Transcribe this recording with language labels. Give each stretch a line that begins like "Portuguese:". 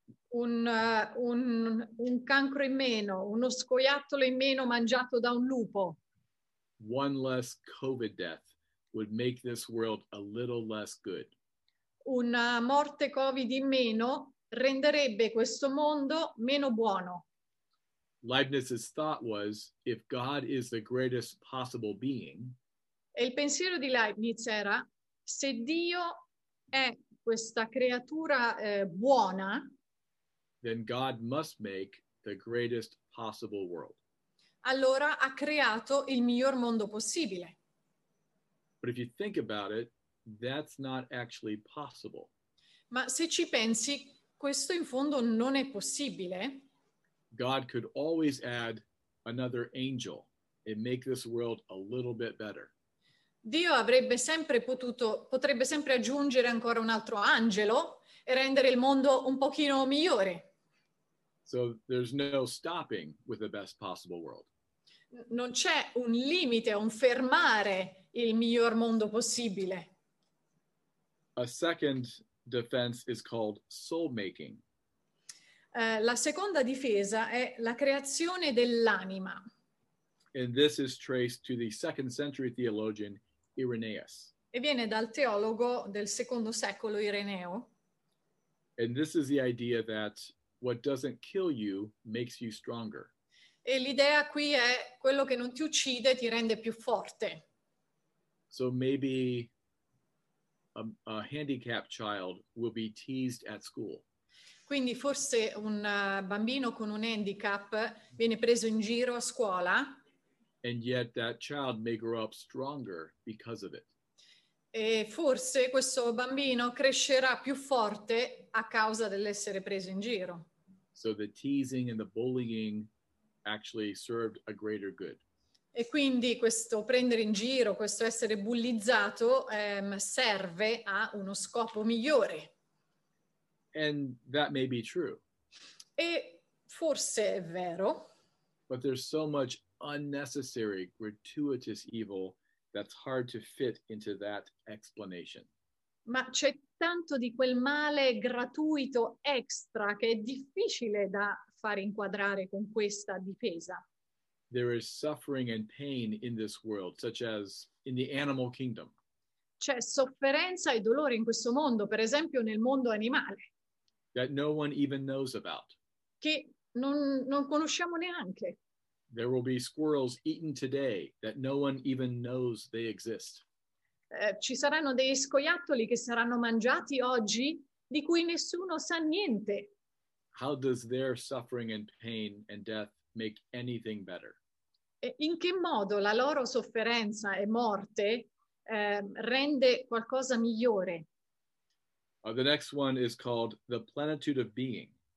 Italian: Un cancro in meno, uno scoiattolo in meno mangiato da un lupo.
English: One less COVID death would make this world a little less good.
Italian: Una morte COVID in meno renderebbe questo mondo meno buono.
English: Leibniz's thought was, if God is the greatest possible being,
Italian: e il pensiero di Leibniz era, se Dio è questa creatura buona,
English: then God must make the greatest possible world.
Italian: Allora ha creato il miglior mondo possibile.
English: But if you think about it, that's not actually possible.
Italian: Ma se ci pensi, questo in fondo non è possibile.
English: God could always add another angel and make this world a little bit better.
Italian: Dio avrebbe sempre potrebbe sempre aggiungere ancora un altro angelo e rendere il mondo un pochino migliore.
English: So there's no stopping with the best possible world.
Italian: Non c'è un limite, un fermare il miglior mondo possibile.
English: A second defense is called soul making.
Italian: La seconda difesa è la creazione dell'anima.
English: And this is traced to the second century theologian Irenaeus.
Italian: E viene dal teologo del secondo secolo Ireneo.
English: And this is the idea that what doesn't kill you makes you stronger.
Italian: E l'idea qui è quello che non ti uccide ti rende più forte.
English: So maybe a handicapped child will be teased at school.
Italian: Quindi forse un bambino con un handicap viene preso in giro a scuola.
English: And yet that child may grow up stronger because of it.
Italian: E forse questo bambino crescerà più forte a causa dell'essere preso in giro.
English: So the teasing and the bullying actually served a greater good.
Italian: E quindi questo prendere in giro, questo essere bullizzato, serve a uno scopo migliore.
English: And that may be true.
Italian: E forse è vero.
English: But there's so much unnecessary, gratuitous evil that's hard to fit into that explanation.
Italian: Ma c'è tanto di quel male gratuito extra che è difficile da far inquadrare con questa difesa.
English: There is suffering and pain in this world, such as in the animal kingdom.
Italian: C'è sofferenza e dolore in questo mondo, per esempio nel mondo animale.
English: That no one even knows about.
Italian: Che non conosciamo neanche.
English: There will be squirrels eaten today that no one even knows they exist.
Italian: Ci saranno dei scoiattoli che saranno mangiati oggi di cui nessuno sa niente.
English: How does their suffering and pain and death make anything better?
Italian: In che modo la loro sofferenza e morte rende qualcosa migliore?
English: The next one is called the plenitude of being.